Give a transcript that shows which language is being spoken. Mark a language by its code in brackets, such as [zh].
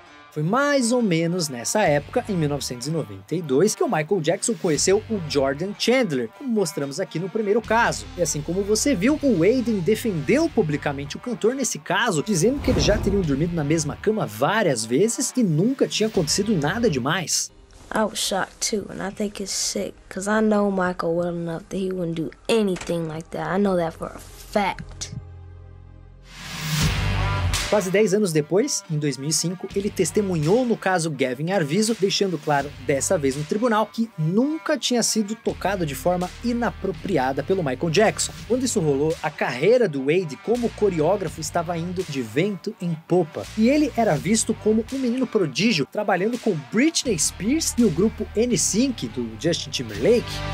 [pt] Foi mais ou menos nessa época, em 1992, que o Michael Jackson conheceu o Jordan Chandler, como mostramos aqui no primeiro caso. E assim como você viu, o Aiden defendeu publicamente o cantor nesse caso, dizendo que eles já teriam dormido na mesma cama várias vezes e nunca tinha acontecido nada demais. [en] I was shocked too, and I think it's sick, cause I know Michael well enough that he wouldn't do anything like that. I know that for a fact. [pt] Quase 10 anos depois, em 2005, ele testemunhou no caso Gavin Arvizo, deixando claro, dessa vez no tribunal, que nunca tinha sido tocado de forma inapropriada pelo Michael Jackson. Quando isso rolou, a carreira do Wade como coreógrafo estava indo de vento em popa, e ele era visto como um menino prodígio, trabalhando com Britney Spears e o grupo NSYNC, do Justin Timberlake.